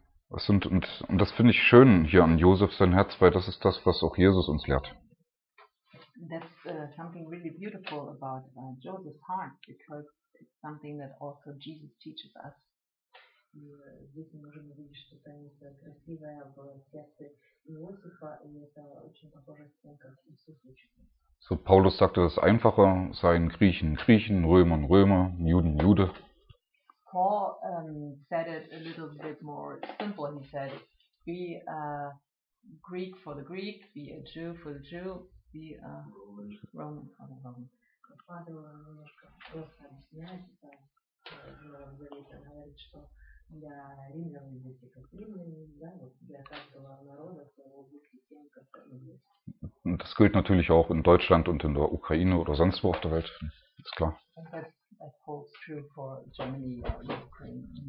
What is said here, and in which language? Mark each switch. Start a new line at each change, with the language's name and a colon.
German: Was sind, und das finde ich schön hier an Josef sein Herz, weil das ist das, was auch Jesus uns lehrt.
English: That's something really beautiful about Joseph's heart, because it's something that also Jesus teaches us.
Russian: Здесь мы можем увидеть что-то не так красивое в сердце Иосифа, и это очень похоже с тем, как Иисус учит.
German: So Paulus sagte, das Einfache seien Griechen, Griechen, Römer, Römer, Juden, Jude.
English: Paul said it a little bit more simple. He said, be a Greek for the Greek, be a Jew for the Jew, be a Roman for the Roman.
Russian: Father немножко просто объясняет это, говорит, что для римлян будьте как римляне, да, вот для каждого народа, своего будьте тем, как римляне.
German: Das gilt natürlich auch in Deutschland und in der Ukraine oder sonst wo auf der Welt, ist klar.
English: That holds true for Germany or Ukraine.